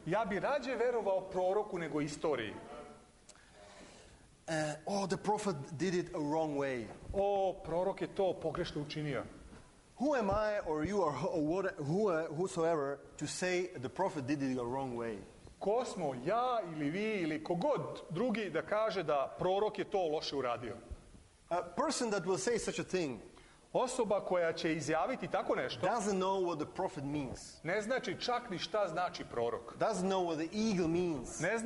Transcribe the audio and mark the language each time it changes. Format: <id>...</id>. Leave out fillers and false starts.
<sr>Ja bi rađe vjerovao proroku nego historiji.</sr> <en>The prophet did it a wrong way.</en> <sr>Oh, prorok je to pogrešno učinio.</sr> <en>Who am I or you or whosoever to say the prophet did it a wrong way?</en> <sr>Ko smo ja ili vi ili kogod drugi da kaže da prorok je to loše uradio?</sr> <en>A person that will say such a thing.</en> <sr>Osoba koja će izjaviti tako nešto.</sr> <en>Doesn't know what the prophet means.</en> <sr>Ne znači čak ni šta znači prorok.</sr> <en>Doesn't know what the eagle means.</en>